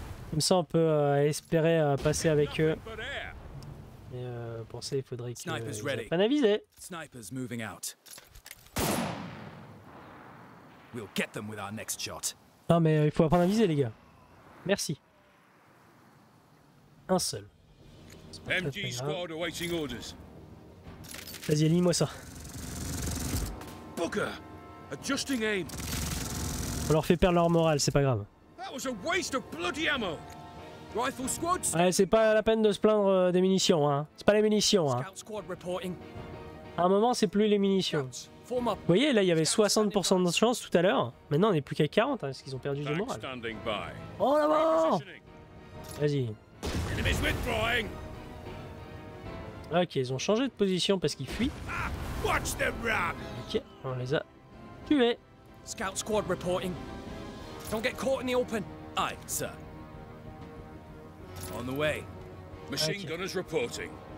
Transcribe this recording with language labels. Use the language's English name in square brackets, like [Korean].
[French] Comme ça, on peut espérer passer avec eux. Mais pour ça, il faudrait qu'ils apprennent à viser. [English] Snipers moving out. We'll get them with our next shot. [French] Non mais il faut apprendre à viser les gars. Merci. Un seul. [English] MG squad awaiting orders. [French] Vas-y, lis-moi ça. [English] Booker, adjusting aim. [French] On leur fait perdre leur morale, c'est pas grave. [English] That was a waste of bloody ammo. Rifle squad. [French] Ouais, c'est pas la peine de se plaindre des munitions, hein. C'est pas les munitions, hein. [English] Scout squad reporting. [French] À un moment, c'est plus les munitions. Vous voyez, là, il y avait 60% de chance tout à l'heure. Maintenant, on n'est plus qu'à 40, hein, parce qu'ils ont perdu du moral. Oh, là-bas ! Vas-y. Ok, ils ont changé de position parce qu'ils fuient. Ok, on les a tués. [English] Scout squad reporting. Don't get caught in the open. Aye, sir. On the way. Machine gunners reporting.